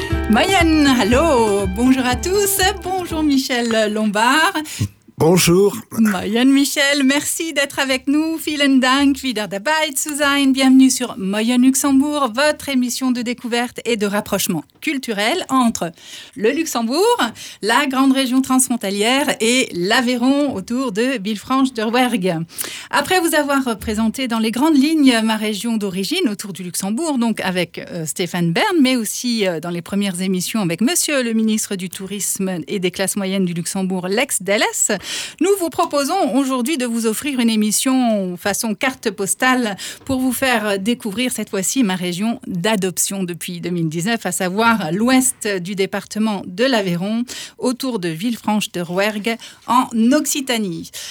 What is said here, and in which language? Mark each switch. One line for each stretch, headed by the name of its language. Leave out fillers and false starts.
French: Mayenne, allô, bonjour à tous, bonjour Michel Lombard. Bonjour. Mayenne Michel, merci d'être avec nous.
German: Vielen Dank, wieder dabei zu sein.
French: Bienvenue sur Mayenne Luxembourg, votre émission de découverte et de rapprochement culturel entre le Luxembourg, la grande région transfrontalière et l'Aveyron autour de Villefranche-de-Rouergue. Après vous avoir présenté dans les grandes lignes ma région d'origine autour du Luxembourg, donc avec Stéphane Bern, mais aussi dans les premières émissions avec monsieur le ministre du Tourisme et des Classes Moyennes du Luxembourg, Lex Dellès, nous vous proposons aujourd'hui de vous offrir une émission façon carte postale pour vous faire découvrir cette fois-ci ma région d'adoption depuis 2019, à savoir l'ouest du département de l'Aveyron, autour de Villefranche-de-Rouergue, en Occitanie.